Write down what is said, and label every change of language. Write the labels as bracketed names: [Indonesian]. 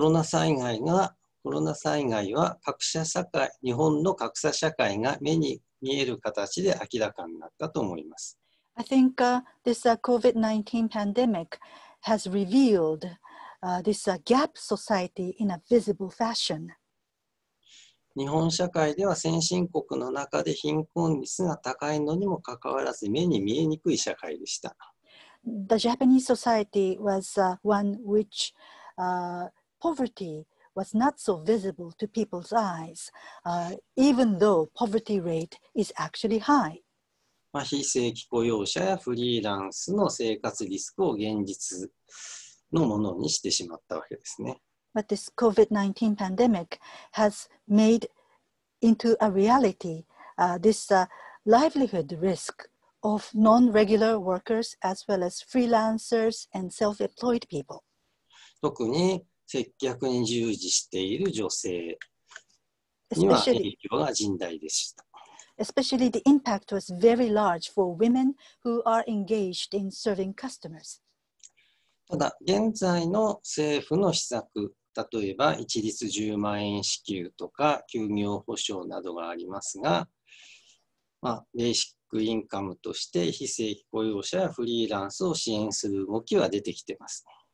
[Japanese] コロナ災害は格差社会、日本の格差社会が目に見える形で明らかになったと思います。 [English] I think, this, COVID-19 pandemic has revealed, this, gap society in a visible fashion. [Japanese] 日本社会では先進国の中で貧困率が高いのにもかかわらず目に見えにくい社会でした。 [English] The Japanese society was, one which, poverty was not so visible to people's eyes, even though poverty rate is actually high. [Japanese] 非正規雇用者やフリーランスの生活リスクを現実のものにしてしまったわけですね。 [English] But this COVID-19 pandemic has made into a reality, this, livelihood risk of non-regular workers as well as freelancers and self-employed people. [Japanese] 特に接客に従事している女性には影響が甚大でした。 [English] Especially the impact was very large for women who are engaged in serving customers. [Japanese] ただ、現在の政府の施策、例えば一律10万円支給とか休業補償などがありますが、まあ、ベーシックインカムとして非正規雇用者やフリーランスを支援する動きは出てきてます。